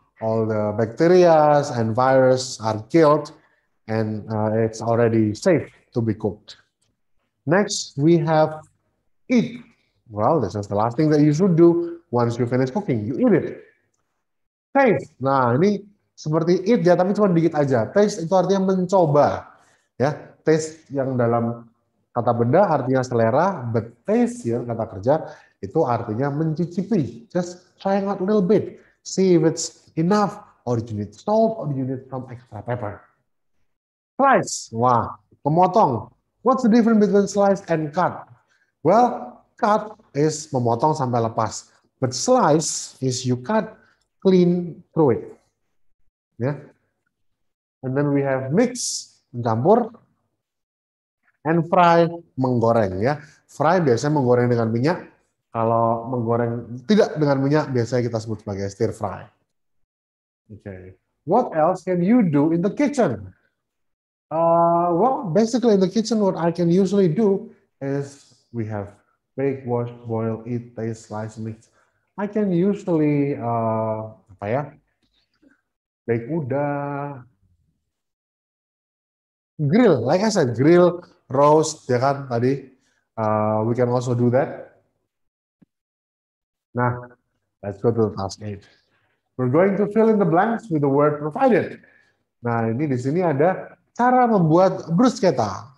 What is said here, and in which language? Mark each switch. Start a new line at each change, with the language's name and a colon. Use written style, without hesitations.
English: All the bacteria and virus are killed and it's already safe to be cooked. Next, we have eat. Well, this is the last thing that you should do once you finish cooking. You eat it.
Indonesian: Taste. Nah, ini seperti eat ya, tapi cuma dikit aja. Taste itu artinya mencoba. Ya, taste yang dalam kata benda artinya selera, but taste yang kata kerja itu artinya mencicipi.
English: Just trying out a little bit. See if it's enough, or you need salt, or you need some extra pepper. Slice.
Indonesian: Wah, memotong.
English: What's the difference between slice and cut? Well, cut is
Indonesian: memotong sampai lepas.
English: But slice is you cut clean through it. Yeah. And then we have mix, campur. And fry, menggoreng. Ya.
Indonesian: Fry biasanya menggoreng dengan minyak. Kalau menggoreng tidak dengan minyak, biasanya kita sebut sebagai stir fry.
English: Okay. What else can you do in the kitchen? Well, basically in the kitchen, what I can usually do is we have bake, wash, boil, eat, taste, slice, mix. I can usually
Indonesian: apa ya? Naik kuda.
English: Grill, like I said, grill, roast,
Indonesian: ya kan tadi.
English: We can also do that. Nah, let's go to the task 8. We're going to fill in the blanks with the word provided.
Indonesian: Nah, ini di sini ada cara membuat bruschetta.